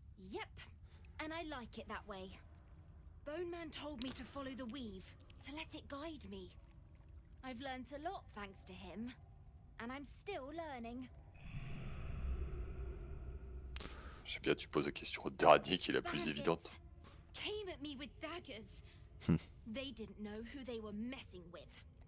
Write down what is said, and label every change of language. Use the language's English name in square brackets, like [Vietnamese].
[English] Yep, and I like it that way. Bone Man told me to follow the weave, to let it guide me. I've learned a lot thanks to him, and I'm still learning. [French] Je sais bien, tu poses la question au dernier qui est la plus évidente. [English] Came at me with daggers. They didn't know who they were messing with.